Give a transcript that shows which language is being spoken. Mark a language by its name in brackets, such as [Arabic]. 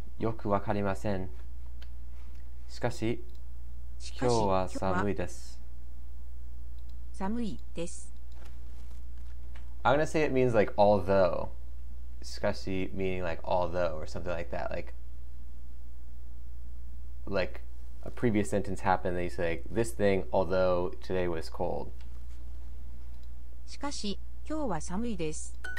[Japanese] よくわかりません。しかし今日は寒いです。寒いです。 [English] I'm gonna say it means like although, especially meaning like although or something like that. Like a previous sentence happened, they say like, this thing although today was cold. [Japanese] しかし今日は寒いです。